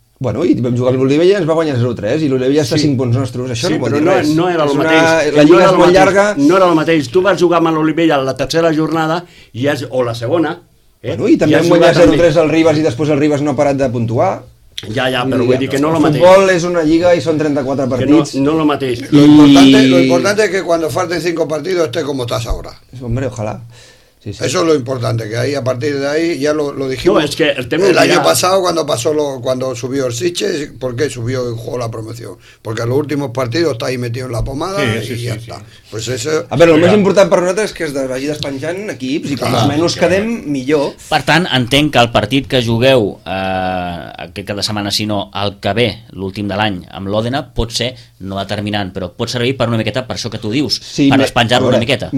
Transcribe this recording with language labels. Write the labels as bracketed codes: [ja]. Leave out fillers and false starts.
[ca] Bueno, i vam jugar amb l'Olivella i ens va guanyar 0-3 i l'Olivella està 5 punts nostres, això no vol dir res. No era el mateix. La lliga és molt llarga. No era el mateix. Tu vas jugar amb l'Olivella la tercera jornada o la segona. Bueno, i també vam guanyar 0-3 al Ribas i després el Ribas no ha parat de puntuar. Ja, però vull dir que no el mateix. Futbol és una lliga i són 34 partits. No, no el mateix. [es] Lo importante es que cuando falten 5 partidos estés como estás ahora. Hombre, ojalá. Sí, sí. Eso es lo importante, que ahí a partir de ahí ya lo dijimos. No, es que el tema el año pasado cuando subió el Sitges, ¿por qué subió y jugó la promoción? Porque en los últimos partidos está ahí metido en la pomada, sí, sí, y sí, ya sí. Está. Pues eso. [ca] A ver, lo més important per nosaltres és que es vagi despenjant equips i com clar, menys clar. Quedem millor. Per tant, entenc que el partit que jugueu aquest cada setmana, si no el que ve, l'últim de l'any amb l'Òdena, pot ser no determinant, però pot servir per una miqueta, per això que tu dius, sí, per despenjar-lo una miqueta.